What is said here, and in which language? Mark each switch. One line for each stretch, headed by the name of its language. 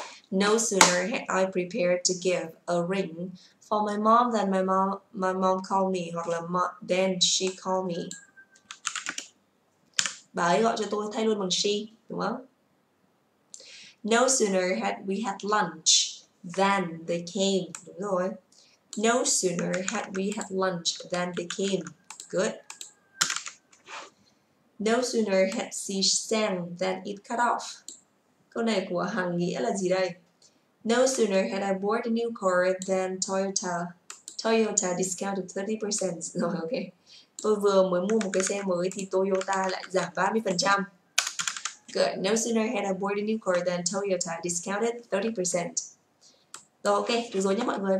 English: No sooner had I prepared to give a ring for my mom than my mom called me,
Vietnamese: hoặc là
English: then she called me.
Vietnamese: Bà ấy gọi cho tôi thay luôn bằng she, đúng không?
English: No sooner had we had lunch than they came.
Vietnamese: Đúng rồi.
English: No sooner had we had lunch than they came. Good. No sooner had she sang than it cut off.
Vietnamese: Câu này của Hằng nghĩa là gì đây?
English: No sooner had I bought a new car than Toyota discounted 30%. Rồi, ok.
Vietnamese: Tôi vừa mới mua một cái xe mới thì Toyota lại giảm 30%.
English: Good. No sooner had I bought a new car than Toyota discounted 30%. Rồi, ok.
Vietnamese: Được rồi nhé mọi người.